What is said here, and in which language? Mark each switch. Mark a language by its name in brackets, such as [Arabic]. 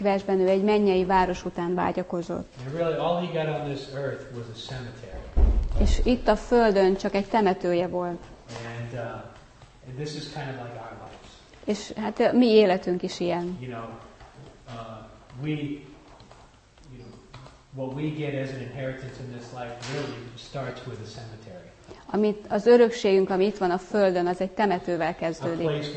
[Hungarian] versben ő egy mennyei város után vágyakozott. [English] And really all he got on this earth was a cemetery. [Hungarian] És itt a földön csak egy temetője volt. [English] And this is kind of like our lives. [Hungarian] És hát mi életünk is ilyen. [English] You know, what we get as an inheritance in this life really starts with a cemetery. [Hungarian] Amit az örökségünk, ami itt van a Földön, az egy temetővel kezdődik.